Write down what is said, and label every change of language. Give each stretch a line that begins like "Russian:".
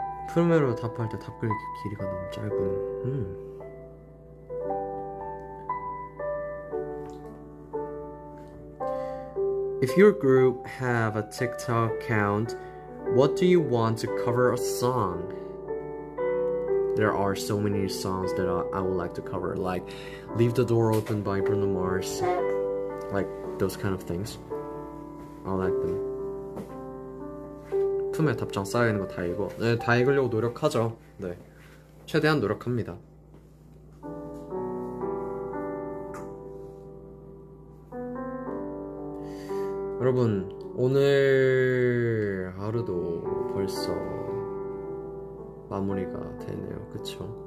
Korean: 프메로 답할 때 답글 길이가 너무 짧은.
English: If your group have a TikTok account, what do you want to cover a song? There are so many songs that I would like to cover, like Leave the Door Open by Bruno Mars, like those kind of things. I like them.
Korean: 품에 답장 쌓여있는 거 다 읽어. 네, 다 읽으려고 노력하죠. 네, 최대한 노력합니다. 여러분, 오늘 하루도 벌써 마무리가 되네요. 그쵸?